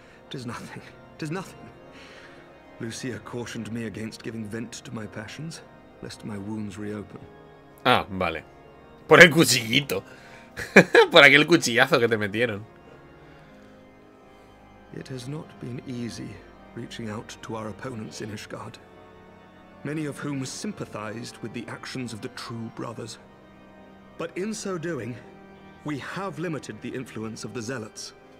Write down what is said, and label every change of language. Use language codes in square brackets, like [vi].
[en] Tis nothing. Lucia cautioned me against giving vent to my passions, lest my wounds reopen. [es] Ah, vale. Por el cuchillito. Por aquel cuchillazo que te metieron. [en] It has not been easy reaching out to our opponents in Ishgard. Many of whom sympathized with the actions of the True Brothers. But in so doing, we have limited the influence of the Zealots.